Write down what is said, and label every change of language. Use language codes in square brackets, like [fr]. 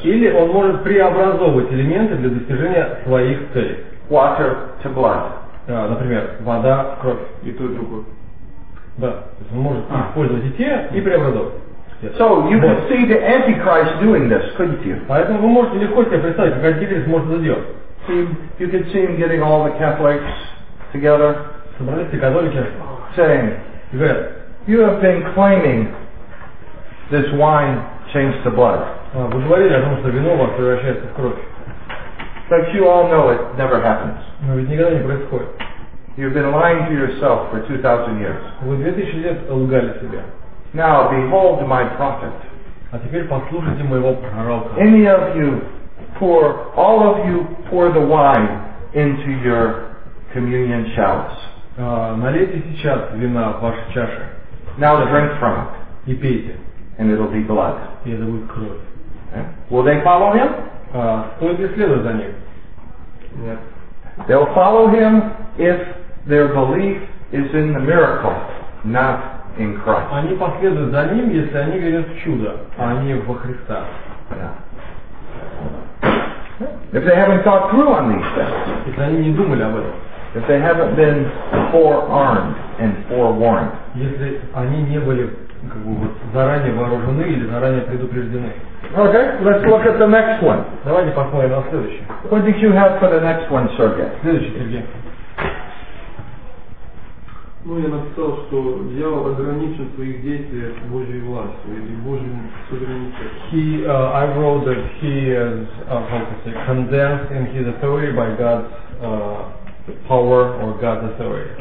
[ru] Или он может преобразовывать элементы для достижения своих целей. [en] Water to blood. [ru] Например, вода в кровь. И то, и другое. Да. То есть он может использовать и те, и преобразовывать. [en] So you could see the Antichrist doing this, couldn't you? [ru] Поэтому вы можете легко себе представить, как Антихрист может это сделать. [en] You could see him getting all the Catholics together. [ru] Собрались все католики. [en] Saying, Good. You have been claiming this wine changed to blood. [ru] Вы говорили о том, что вино вас превращается в кровь. [en] But you all know it never happens. [ru] Но ведь никогда не происходит. [en] You've been lying to yourself for 2,000 years. [ru] Вы 2000 лет лгали себе. [en] Now behold my prophet. [ru] А теперь послушайте моего пророка. [en] Any of you pour, all of you pour the wine into your communion chalice. [ru] Налейте сейчас вина в ваши чаши. [en] Now drink from it. [ru] И пейте. [en] And it'll be blood. [ru] И это будет кровь. [en] Okay. Will they follow him? [ru] Стоит ли следовать за ним? Нет. [en] They'll follow him if their belief is in the miracle, not in Christ. [ru] Они последуют за ним, если они верят в чудо, а не во Христа. [en] Yeah. If they haven't thought through on these things. [ru] Если они не думали об этом. [en] If they haven't been forearmed and forewarned. [ru] Если они не были заранее вооружены или заранее предупреждены. [en] Okay, let's look at the next one. [ru] Давайте посмотрим на следующий. [en] What did you have for the next one, Sergey? [ru] Следующий, Сергей. Ну, я написал, что дьявол ограничен в своих действиях Божьей властью или Божьим суверенитетом. [en] I wrote that he is, how to say, condemned in his authority by God's power or God's authority.